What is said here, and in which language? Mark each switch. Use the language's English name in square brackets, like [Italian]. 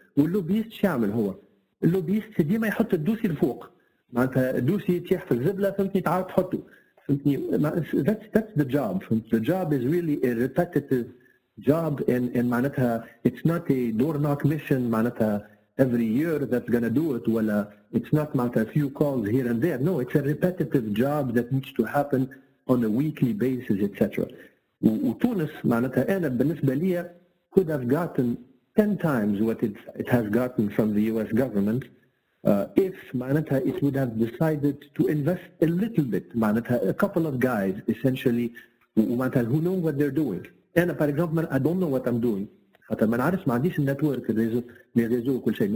[Arabic] واللوبيست شو يعمل هو اللوبيست ديما يحط الدوسي الفوق معناتها الدوسي يتيح في الزبلة فهمتني تعال تحطه [English] That's the job. The job is really a repetitive job, and معناتها it's not a door knock mission. معناتها every year that's gonna do it. ولا it's not معناتها a few calls here and there. No, it's a repetitive job that needs to happen on a weekly basis, etc. [Arabic] وتونس معناتها أنا بالنسبة لي [English] could have gotten 10 times what it has gotten from the U.S. government. If معناتها it would have decided to invest a little bit, معناتها a couple of guys essentially, معناتها who know what they're doing. أنا, for example, I don't know what I'm doing. [Arabic] حتى ما نعرفش ما عنديش النتورك, الريزو وكل شيء.